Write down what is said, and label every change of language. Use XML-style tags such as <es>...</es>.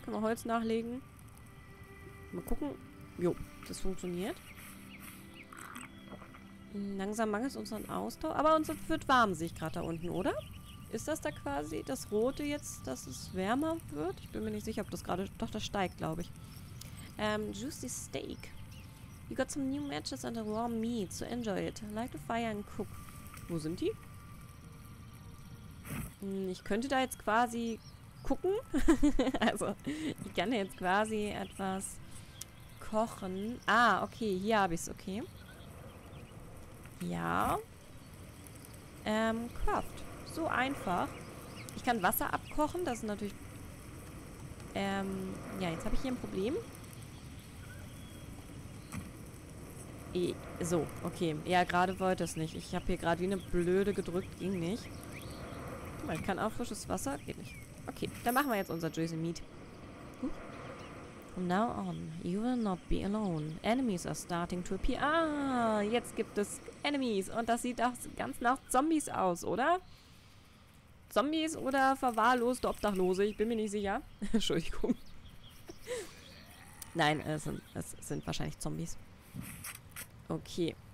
<de>Können wir Holz nachlegen. Mal gucken. Jo, das funktioniert. Langsam mangelt es unseren Ausdauer. Aber uns wird warm, sehe ich gerade da unten, oder? Ist das da quasi das Rote jetzt, dass es wärmer wird? Ich bin mir nicht sicher, ob das gerade... Doch, das steigt, glaube ich.</de> <en>Juicy Steak. You got some new matches and a warm meat. So enjoy it. Light a fire and cook.</en> <de>Wo sind die? Ich könnte da jetzt quasi gucken. Also, ich kann da jetzt quasi etwas kochen. Ah, okay. Hier habe ich es. Okay. Ja. Craft. So einfach. Ich kann Wasser abkochen. Das ist natürlich... ja, jetzt habe ich hier ein Problem. So, okay. Ja, gerade wollte es nicht. Ich habe hier gerade wie eine Blöde gedrückt. Ging nicht. Guck mal, ich kann auch frisches Wasser. Geht nicht. Okay, dann machen wir jetzt unser Juicy Meat.</de> <en>From now on, you will not be alone. Enemies are starting to appear.</en> <de>Ah, jetzt gibt es Enemies. Und das sieht auch ganz nach Zombies aus, oder? Zombies oder verwahrloste Obdachlose? Ich bin mir nicht sicher. Entschuldigung. Nein, es sind wahrscheinlich Zombies. Okay.</de>